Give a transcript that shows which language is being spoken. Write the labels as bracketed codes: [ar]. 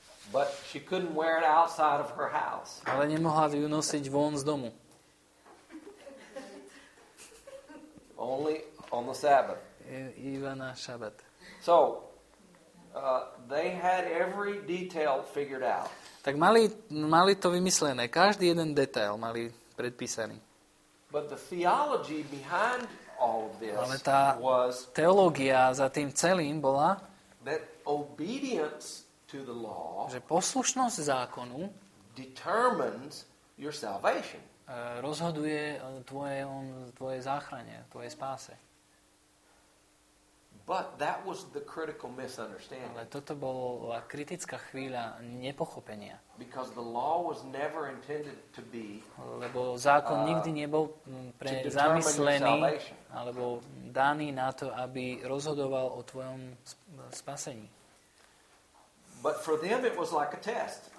[en] But she couldn't wear it outside of her house. [sk] Ale nemohla ju nosiť von z domu. [en] Only on the Sabbath. [sk] Iba na šabat. [en] So, they had every detail figured out. [sk] Tak mali to vymyslené. Každý jeden detail mali predpísaný. [en] But the theology behind all of this [sk] ale tá was teológia za tým celým bola [en] that obedience to the law [sk] že poslušnosť zákonu [en] determines your salvation. [sk] Rozhoduje tvoje záchrane, tvoje spáse. [en] But that was the critical misunderstanding. [sk] Ale toto bola kritická chvíľa nepochopenia. [en] Because the law was never intended to be [sk] lebo zákon nikdy nebol pre zamyslený alebo daný na to, aby rozhodoval o tvojom spasení. [en] But for them it was like a test.